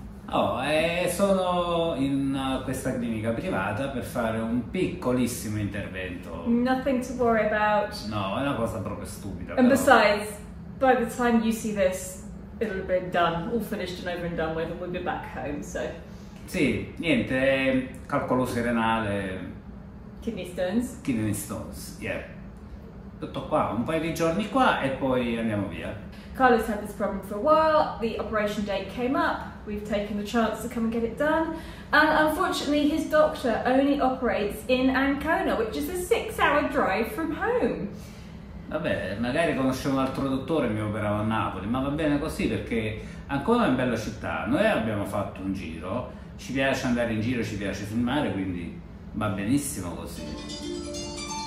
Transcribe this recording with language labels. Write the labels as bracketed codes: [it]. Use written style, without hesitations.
[it] Oh, sono in questa clinica privata per fare un piccolissimo intervento. [en] Nothing to worry about. [it] No, è una cosa proprio stupida. And però. [en] Besides, by the time you see this, it'll be done, all finished and over and done with, and we'll be back home, so. [it] Sì, niente, calcolo serenale. [en] Kidney stones. Kidney stones, yeah. [it] Tutto qua, un paio di giorni qua e poi andiamo via. [en] Carlo's had this problem for a while. The operation date came up. We've taken the chance to come and get it done. And unfortunately, his doctor only operates in Ancona, which is a 6-hour drive from home. [it] Vabbè, magari conoscevo un altro dottore e mi operava a Napoli, ma va bene così perché Ancona è una bella città. Noi abbiamo fatto un giro, ci piace andare in giro, ci piace filmare, quindi va benissimo così.